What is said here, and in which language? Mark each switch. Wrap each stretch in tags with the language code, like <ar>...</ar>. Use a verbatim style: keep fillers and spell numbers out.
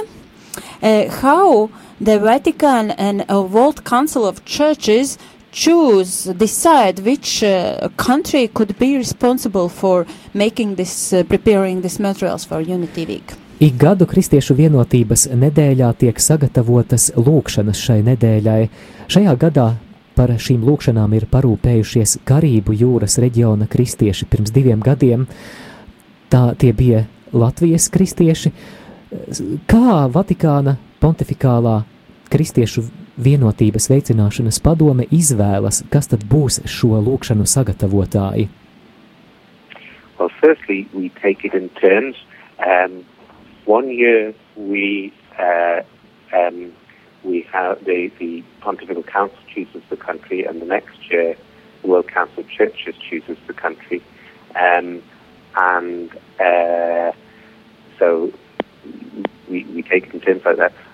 <en>Uh, how the Vatican and a World Council of Churches choose, decide which uh, country could be responsible for making this, uh, preparing these materials for Unity Week?</en> <lv>Ik gadu kristiešu vienotības nedēļā tiek sagatavotas lūkšanas šai nedēļai. Šajā gadā par šīm lūkšanām ir parūpējušies Karību jūras reģiona kristieši pirms diviem gadiem. Tā tie bija Latvijas kristieši. Kā Vatikāna pontifikālā kristiešu vienotības veicināšanas padome izvēlas, kas tad būs šo lūkšanu sagatavotāji?</lv> <en>Well, firstly, we take it in turns. Um... One year we uh, um, we have the, the Pontifical Council chooses the country, and the next year the World Council of Churches chooses the country, um, and uh, so we, we take it in terms like that.</en>